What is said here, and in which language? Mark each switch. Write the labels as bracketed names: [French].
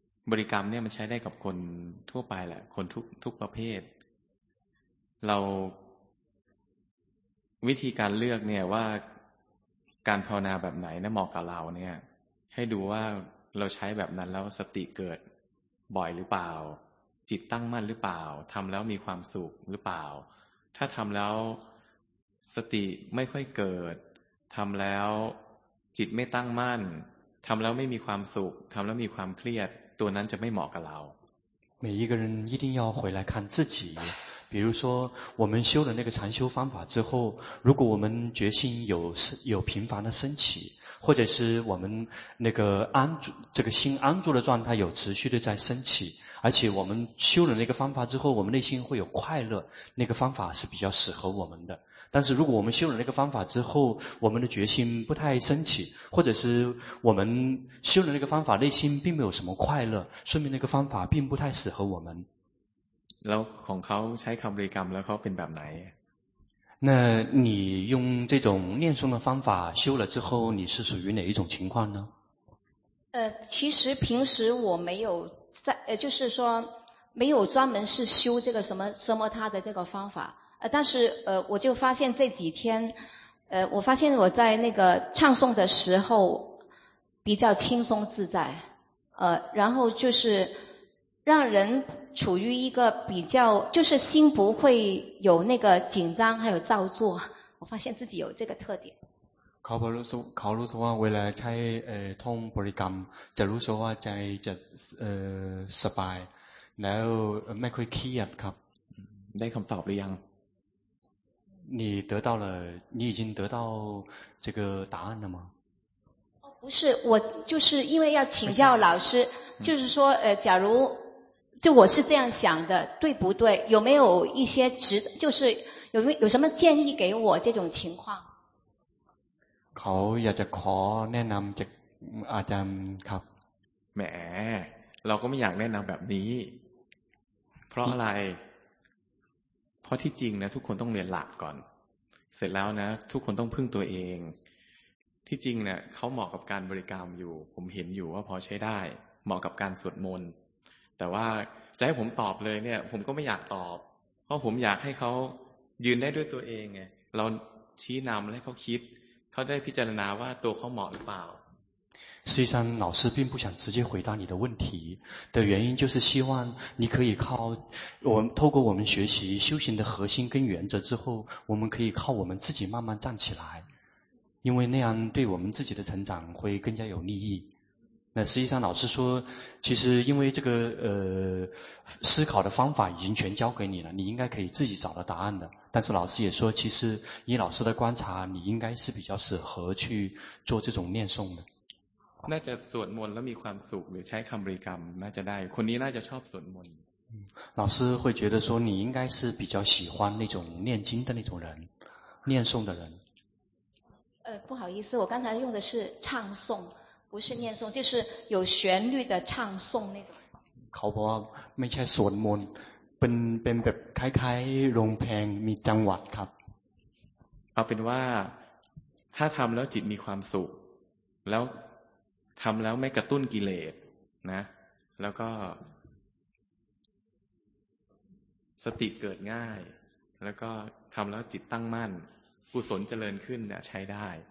[Thai] บริกรรมเนี่ยมันใช้ได้กับคนทั่วไปแหละคนทุกประเภทเราวิธีการเลือกเนี่ยว่าการภาวนาแบบไหนนะเหมาะกับเราเนี่ยให้ดูว่าเราใช้แบบนั้นแล้วสติเกิดบ่อยหรือเปล่าจิตตั้งมั่นหรือเปล่าทำแล้วมีความสุขหรือเปล่าถ้าทำแล้ว สติไม่ค่อยเกิดทำแล้วจิตไม่ตั้งมั่นทำแล้วไม่มีความสุขทำแล้วมีความเครียดตัวนั้นจะไม่เหมาะกับเรา [Chinese] 每一个人一定要回来看自己比如说我们修了那个禅修方法之后如果我们决心有频繁的升起或者是我们那个安住这个心安住的状态有持续的在升起而且我们修了那个方法之后我们内心会有快乐那个方法是比较适合我们的但是如果我们修了那个方法之后我们的决心不太升起或者是我们修了那个方法内心并没有什么快乐说明那个方法并不太适合我们 [Thai] แล้วของเขาใช้คำบริกรรมแล้วเขาเป็นแบบไหน [Chinese] 那你用这种念诵的方法修了之后你是属于哪一种情况呢其实平时我没有在就是说没有专门是修这个什么他的这个方法但是我就发现这几天我发现我在那个唱诵的时候比较轻松自在然后就是让人处于一个比较就是心不会有那个紧张还有造作我发现自己有这个特点 [Thai] เขารู้สึกว่าเวลาใช้ท่องบริกรรมจะรู้สึกว่าใจจะสบายแล้วไม่ค่อยเครียดครับ ได้คำตอบหรือยัง [Chinese] 你已经得到这个答案了吗不是我就是因为要请教老师就是说假如就我是这样想的对不对有没有一些就是有什么建议给我这种情况 [Thai] เขาอยากจะขอแนะนำจากอาจารย์ครับ แหมเราก็ไม่อยากแนะนำแบบนี้เพราะอะไรเพราะที่จริงนะทุกคนต้องเรียนหลักก่อนเสร็จแล้วนะทุกคนต้องพึ่งตัวเองที่จริงเนี่ยเขาเหมาะกับการบริกรรมอยู่ผมเห็นอยู่ว่าพอใช้ได้เหมาะกับการสวดมนต์แต่ว่าจะให้ผมตอบเลยเนี่ยผมก็ไม่อยากตอบเพราะผมอยากให้เขายืนได้ด้วยตัวเองไงเราชี้นำให้เขาคิดเขาได้พิจารณาว่าตัวเขาเหมาะหรือเปล่า [Chinese] 实际上老师并不想直接回答你的问题的原因就是希望你可以靠我们透过我们学习修行的核心跟原则之后我们可以靠我们自己慢慢站起来因为那样对我们自己的成长会更加有利益那实际上老师说其实因为这个思考的方法已经全交给你了你应该可以自己找到答案的但是老师也说其实以老师的观察你应该是比较适合去做这种念诵的那 [Thai] จะสวดมนต์แล้วมีความสุขหรือใช้คำบริกรรมน่าจะได้คนนี้น่าจะชอบสวดมนต์ [Chinese] 老师会觉得说你应该是比较喜欢那种念经的那种人念诵的人不好意思我刚才用的是唱诵不是念诵，就是有旋律的唱诵那种。 [Thai] 考婆ไม่ใช่สวดมนต์เป็นแบบคล้ายๆร้องเพลงมีจังหวะครับ เอาเป็นว่าถ้าทำแล้วจิตมีความสุขแล้วทำแล้วไม่กระตุ้นกิเลสนะแล้วก็สติเกิดง่ายแล้วก็ทำแล้วจิตตั้งมั่นกุศลเจริญขึ้นเนี่ยใช้ได้